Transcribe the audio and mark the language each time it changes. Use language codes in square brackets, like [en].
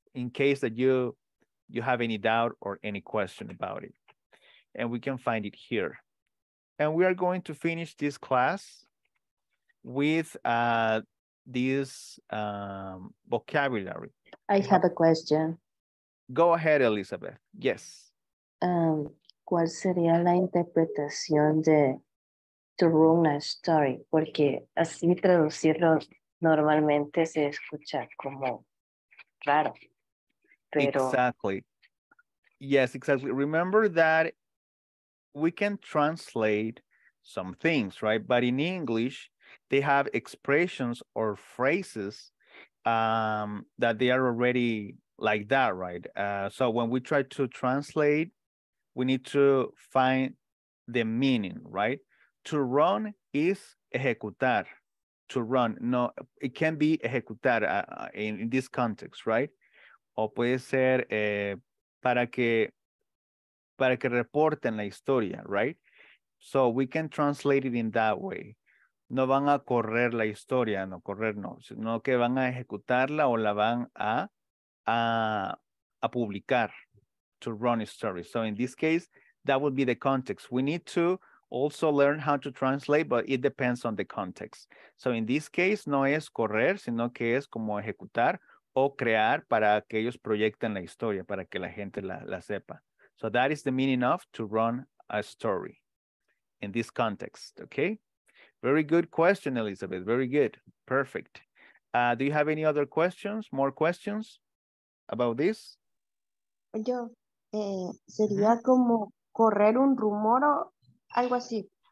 [en] In case that you have any doubt or any question about it. And we can find it here. And we are going to finish this class with this vocabulary. I have a question. Go ahead, Elizabeth. Yes. [es] ¿Cuál sería la interpretación de to ruin a story? Porque así traducirlo normalmente se escucha como raro. Pero... [en] Exactly. Yes, exactly. Remember that we can translate some things, right? But in English, they have expressions or phrases that they are already like that, right? So when we try to translate, we need to find the meaning, right? To run is ejecutar, to run. No, it can be ejecutar in this context, right? [es] O puede ser para que reporten la historia, right? [en] So we can translate it in that way. [es] No van a correr la historia, no correr, no, sino que van a ejecutarla o la van a publicar, to run a story. [en] So in this case, that would be the context. We need to also learn how to translate, but it depends on the context. [es] So in this case, no es correr, sino que es como ejecutar o crear para que ellos proyecten la historia, para que la gente la sepa. [en] So that is the meaning of to run a story in this context, okay? Very good question, Elizabeth. Very good. Perfect. Do you have any other questions, more questions about this? [es] Yo, sería como correr un rumor o algo así.